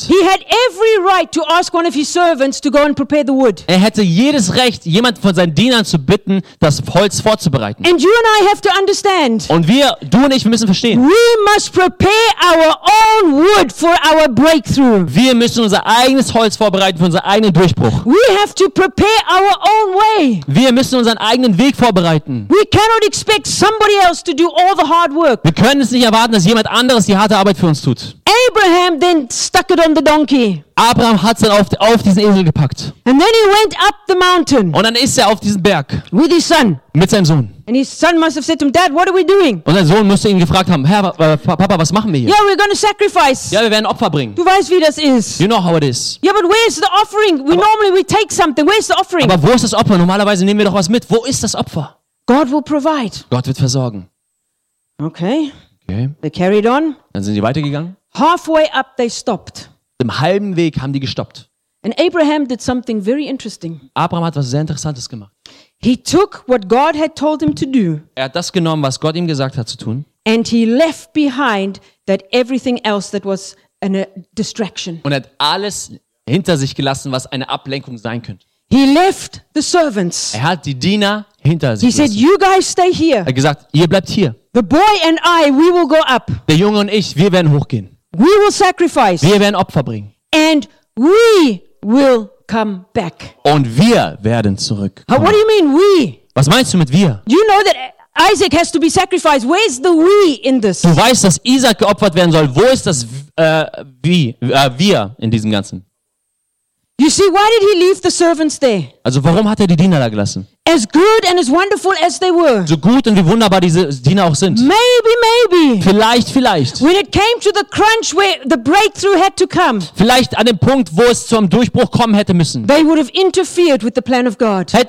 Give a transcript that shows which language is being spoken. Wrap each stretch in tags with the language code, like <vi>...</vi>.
<en>He had every right to ask one of his servants to go and prepare the wood.</en> <de>Er hätte jedes Recht, jemand von seinen Dienern zu bitten, das Holz vorzubereiten.</de> <en>And you and I have to understand.</en> <de>Und du und ich, wir müssen verstehen.</de> <en>We must prepare our own wood for our breakthrough.</en> <de>Wir müssen unser eigenes Holz vorbereiten für unseren eigenen Durchbruch.</de> <en>We have to prepare our own way.</en> <de>Wir müssen unseren eigenen Weg vorbereiten.</de> <en>We cannot expect somebody else to do all the hard work.</en> <de>Wir können es nicht erwarten, dass jemand anderes die harte Arbeit für uns tut.</de> <en>Abraham then stuck it on the donkey.</en> <de>Abraham hat es dann auf diesen Esel gepackt.</de> <en>And then he went up the mountain.</en> <de>Und dann ist er auf diesen Berg.</de> <en>With his son.</en> <de>Mit seinem Sohn.</de> <en>And his son must have said to him, Dad, what are we doing?</en> <de>Und sein Sohn musste ihn gefragt haben, Herr, Papa, was machen wir hier?</de> <en>Yeah, we're gonna sacrifice.</en> <de>Ja, wir werden Opfer bringen. Du weißt, wie das ist.</de> <en>You know how it is. Yeah, but where's the offering? Normally we take something. Where's the offering?</en> <de>Aber wo ist das Opfer? Normalerweise nehmen wir doch was mit. Wo ist das Opfer?</de> <en>God will provide.</en> <de>Gott wird versorgen.</de> <en>Okay. They carried on.</en> <de>Dann sind sie weitergegangen.</de> <en>Halfway up they stopped.</en> <de>Im halben Weg haben die gestoppt.</de> <en>And Abraham did something very interesting.</en> <de>Abraham hat was sehr Interessantes gemacht.</de> <en>He took what God had told him to do.</en> <de>Er hat das genommen, was Gott ihm gesagt hat zu tun.</de> <en>And he left behind that everything else that was a distraction.</en> <de>Und hat alles hinter sich gelassen, was eine Ablenkung sein könnte.</de> <en>He left the servants.</en> <de>Er hat die Diener hinter sich gelassen.</de> <en>He said, "You guys stay here."</en> <de>Er hat gesagt, ihr bleibt hier.</de> <en>The boy and I, we will go up.</en> <de>Der Junge und ich, wir werden hochgehen.</de> <en>We will sacrifice.</en> <de>Wir werden Opfer bringen.</de> <en>And we will come back.</en> <de>Und wir werden zurückkommen.</de> <en>What do you mean we?</en> <de>Was meinst du mit wir?</de> <en>You know that Isaac has to be sacrificed. Where's the we in this?</en> <de>Du weißt, dass Isaac geopfert werden soll. Wo ist das wir in diesem Ganzen?</de> <en>You see, why did he leave the servants there?</en> <de>Also warum hat er die Diener da gelassen?</de> <en>As good and as wonderful as they were.</en> <de>So gut und wie wunderbar diese Diener auch sind.</de> <en>Maybe.</en> <de>Vielleicht.</de> <en>When it came to the crunch where the breakthrough had to come.</en> <de>Vielleicht an dem Punkt, wo es zum Durchbruch kommen hätte müssen.</de> <en>They would have interfered with the plan of God.</en>